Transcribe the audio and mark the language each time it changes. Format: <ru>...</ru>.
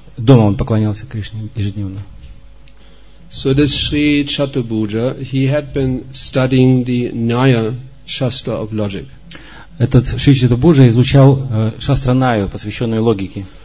<ru>Дома он поклонялся Кришне ежедневно.</ru> <en>So this Sri Chaturbhuja, he had been studying the Naya Shastra of logic.</en> <ru>Этот Шри Чатурбхуджа изучал Шастра Наю, посвященную логике.</ru>